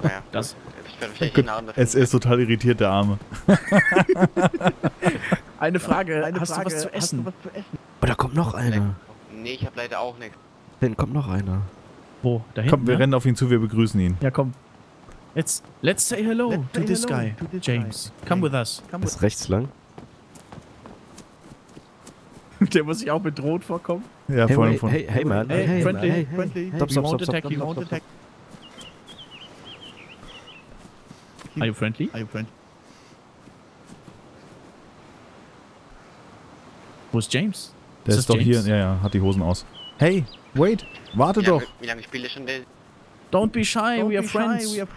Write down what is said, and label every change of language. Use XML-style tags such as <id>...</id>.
<de>Das. Es ist total irritiert, der Arme. Eine Frage, hast du was zu essen? Oh, da kommt noch einer. Nee, ich hab leider auch nichts. Dann kommt noch einer. Wo? Da hinten? Komm, wir rennen auf ihn zu, wir begrüßen ihn. Ja, komm.</de> <en>Let's say hello to this guy, James. Come with us.</en> <de>Ist rechts lang. Der muss sich auch bedroht vorkommen. Ja, vor allem von...</de> <en>Hey, friendly. Stop. Are you friendly?</en> <de>Wo ist James? Der ist doch James? Hier, ja, hat die Hosen aus.</de> <en>Hey, wait,</en> <de>warte doch. Wie lange spiele ich schon den?</de> <en>Don't be shy, we are friends.</en>